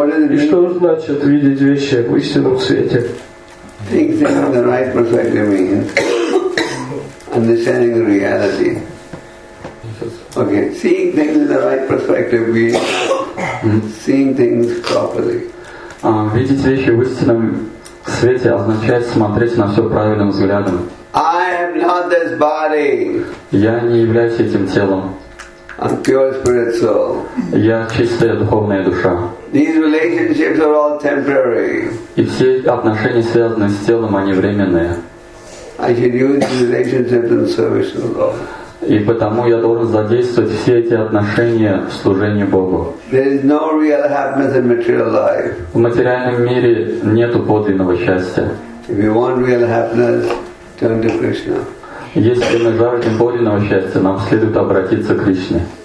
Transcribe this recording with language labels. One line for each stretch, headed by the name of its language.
Russian: И что значит видеть вещи в истинном свете?
English: Thinking in the right perspective means understanding the reality. Okay, seeing things in the right perspective means seeing things properly.
Russian: Видеть вещи в истинном свете означает смотреть на все правильным взглядом.
English: I am not this body.
Russian: Я не являюсь этим телом.
English: I'm pure spirit soul.
Russian: Я чистая духовная душа.
English: These relationships are all temporary.
Russian: И все отношения, связанные с телом, они временные.
English: I should use these relationships in service to God.
Russian: И потому я должен задействовать все эти отношения в служении Богу.
English: There is no real happiness in material life.
Russian: В материальном мире нету подлинного счастья.
English: If you want real happiness, turn to Krishna.
Russian: Если мы жаждем подлинного счастья, нам следует обратиться к Кришне.